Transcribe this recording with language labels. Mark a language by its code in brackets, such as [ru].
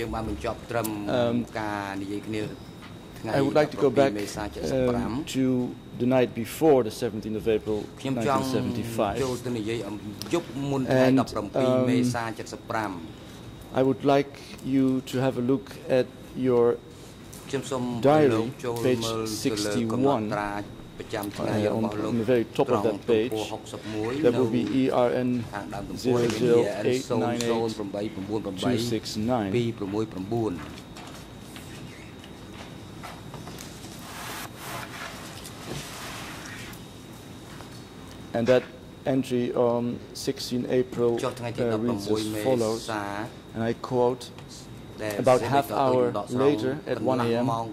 [km] យើងបានបញ្ចប់ត្រឹមការនិយាយគ្នា [en] ថ្ងៃ I would like to go back to the night before the 17th of April 1975 [km] ខ្ញុំចង់ចូលទៅនិយាយអំយប់មុនថ្ងៃ17 មេសា 75 [en] I would like you to have a look at your [km] ខ្ញុំសូមលោកចូលមើលកន្លងត្រាប្រចាំថ្ងៃរបស់លោក [en] នៅ very top of that page there will be ERN 0089 and that entry on 16 April reads as follows and I quote about half hour later at 1 a.m.